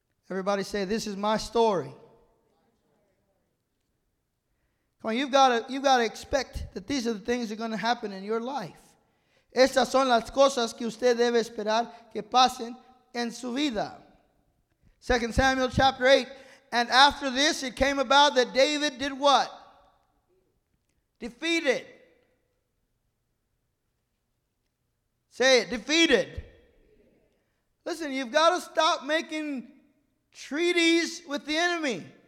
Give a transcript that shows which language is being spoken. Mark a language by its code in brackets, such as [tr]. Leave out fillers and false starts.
[en] Everybody say, this is my story. Come on, you've got to expect that these are the things that are going to happen in your life. [es] Estas son las cosas que usted debe esperar que pasen en su vida. [en] 2 Samuel chapter 8. And after this, it came about that David did what? Defeated. Say it, defeated. Listen, you've got to stop making treaties with the enemy.